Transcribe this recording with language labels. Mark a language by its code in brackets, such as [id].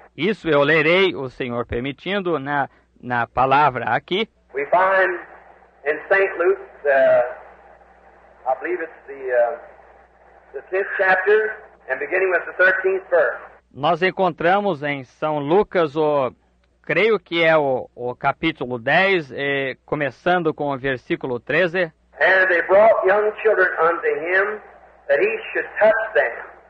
[pt] Isso eu lerei, o Senhor permitindo, na palavra aqui. [en] We find in St. Luke, I believe it's the 10th chapter, and beginning with the 13th verse. [pt] Nós encontramos em São Lucas, creio que é o capítulo 10, começando com o versículo 13. [en] And they brought young children unto him, that he should touch them.